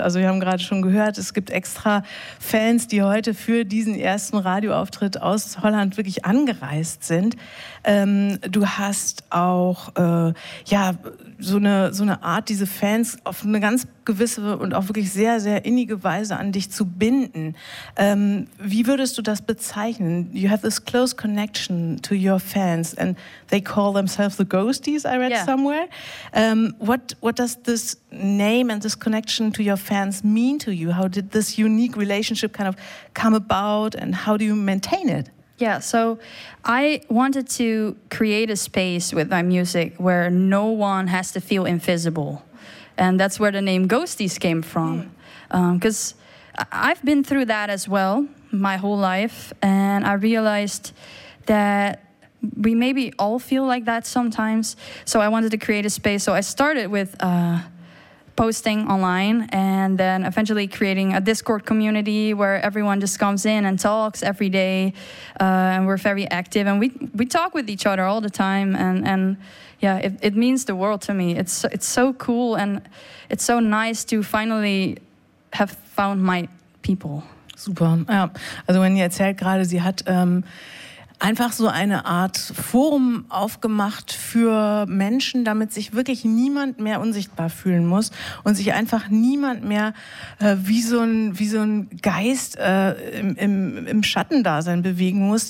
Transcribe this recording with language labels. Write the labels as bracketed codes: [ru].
[de] Also wir haben gerade schon gehört, es gibt extra Fans, die heute für diesen ersten Radioauftritt aus Holland wirklich angereist sind. Du hast auch so eine Art, diese Fans auf eine ganz gewisse und auch wirklich sehr, sehr innige Weise an dich zu binden. Wie würdest du das bezeichnen? [en] You have this close connection to your fans and they call themselves the Ghosties, I read somewhere. What does this name and this connection to your fans mean to you? How did this unique relationship kind of come about and how do you maintain it? Yeah, so I wanted to create a space with my music where no one has to feel invisible. And that's where the name Ghosties came from. Because I've been through that as well my whole life. And I realized that we maybe all feel like that sometimes. So I wanted to create a space. So I started with posting online and then eventually creating a Discord community where everyone just comes in and talks every day. And we're very active and we talk with each other all the time. And yeah, it means the world to me. It's so cool and it's so nice to finally have found my people. [de] Super. Ja. Also Wendy erzählt gerade, sie hat einfach so eine Art Forum aufgemacht für Menschen, damit sich wirklich niemand mehr unsichtbar fühlen muss und sich einfach niemand mehr wie so ein Geist im Schattendasein bewegen muss.